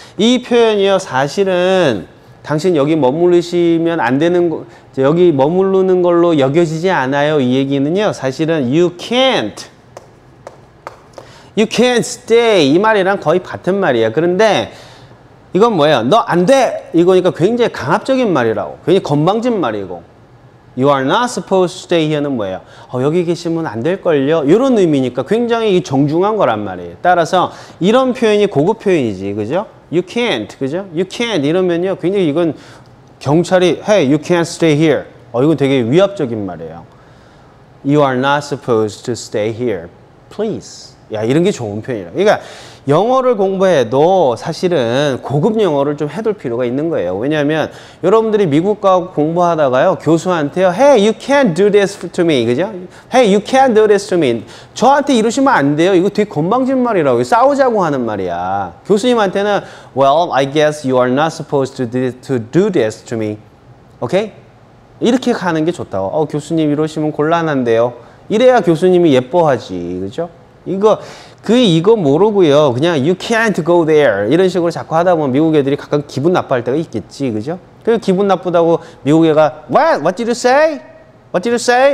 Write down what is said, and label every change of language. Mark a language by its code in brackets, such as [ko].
[ko] 이 표현이요 사실은 당신 여기 머무르시면 안 되는 여기 머무르는 걸로 여겨지지 않아요. 이 얘기는요 사실은 [en] you can't. You can't stay. [ko] 이 말이랑 거의 같은 말이에요. 그런데 이건 뭐예요? 너 안 돼! 이거니까 굉장히 강압적인 말이라고. 굉장히 건방진 말이고. [en] You are not supposed to stay here는 [ko] 뭐예요? 여기 계시면 안 될걸요? 이런 의미니까 굉장히 정중한 거란 말이에요. 따라서 이런 표현이 고급 표현이지. 그죠? [en] You can't. 그죠? You can't. [ko] 이러면요. 굉장히 이건 경찰이 [en] Hey, you can't stay here. [ko] 이건 되게 위협적인 말이에요. [en] You are not supposed to stay here. Please. [ko] 야 이런 게 좋은 표현이라. 그러니까 영어를 공부해도 사실은 고급 영어를 좀 해둘 필요가 있는 거예요. 왜냐하면 여러분들이 미국과 공부하다가요 교수한테요 [en] Hey, you can't do this to me. [ko] 그죠? [en] Hey, you can't do this to me. [ko] 저한테 이러시면 안 돼요. 이거 되게 건방진 말이라고. 싸우자고 하는 말이야. 교수님한테는 [en] Well, I guess you are not supposed to do this to me. [ko] Okay? 이렇게 가는 게 좋다고. 교수님 이러시면 곤란한데요. 이래야 교수님이 예뻐하지. 그죠? 이거 모르고요. 그냥 [en] you can't go there [ko] 이런 식으로 자꾸 하다 보면 미국 애들이 가끔 기분 나빠할 때가 있겠지, 그죠? 그 기분 나쁘다고 미국 애가 [en] what did you say? What did you say?